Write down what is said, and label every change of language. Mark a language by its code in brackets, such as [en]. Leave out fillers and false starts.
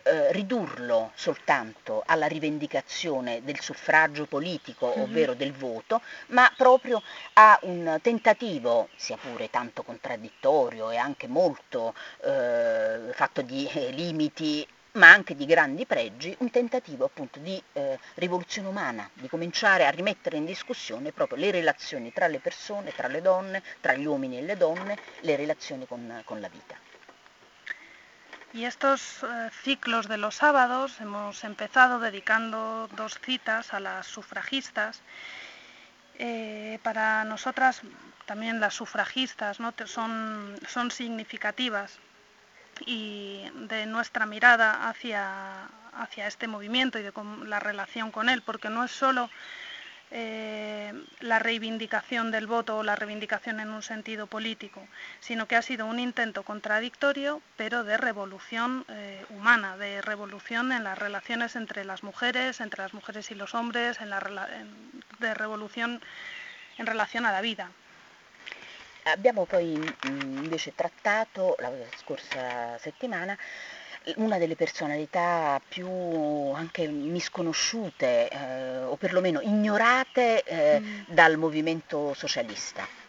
[it] ridurlo soltanto alla rivendicazione del suffragio politico, ovvero del voto, ma proprio a un tentativo, sia pure tanto contraddittorio e anche molto fatto di limiti, ma anche di grandi pregi, un tentativo appunto di rivoluzione umana, di cominciare a rimettere in discussione proprio le relazioni tra le persone, tra le donne, tra gli uomini e le donne, le relazioni con la vita. [es] Y estos ciclos de los sábados hemos empezado dedicando dos citas a las sufragistas. Para nosotras también las sufragistas, ¿no?, son significativas. Y de nuestra mirada hacia este movimiento y de la relación con él, porque no es solo la reivindicación del voto o la reivindicación en un sentido político, sino que ha sido un intento contradictorio, pero de revolución humana, de revolución en las relaciones entre las mujeres y los hombres, de revolución en relación a la vida. [it] Abbiamo poi invece trattato la scorsa settimana una delle personalità più anche misconosciute o perlomeno ignorate dal movimento socialista.